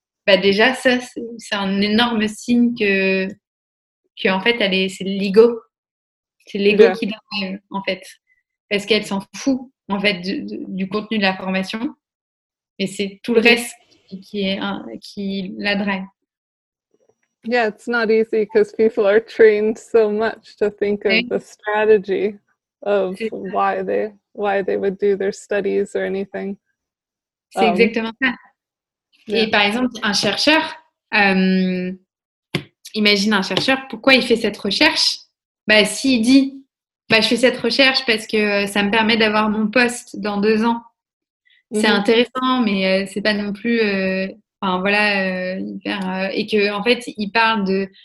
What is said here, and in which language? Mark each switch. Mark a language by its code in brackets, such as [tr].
[fr] Bah, déjà, ça, c'est un énorme signe qu'en fait, c'est l'ego. C'est l'ego qui l'enlève, en fait. Parce qu'elle s'en fout, en fait, du contenu de la formation. Et c'est tout le reste qui la draine. [en] Yeah, it's not easy because people are trained so much to think of the strategy of why they would do their studies or anything. [fr] C'est exactement ça. Yeah. Et par exemple, un chercheur, imagine un chercheur, pourquoi il fait cette recherche? Bah, s'il dit... Bah, je fais cette recherche parce que ça me permet d'avoir mon poste dans 2 ans. C'est intéressant, mais c'est pas non plus. Et que en fait, il parle de.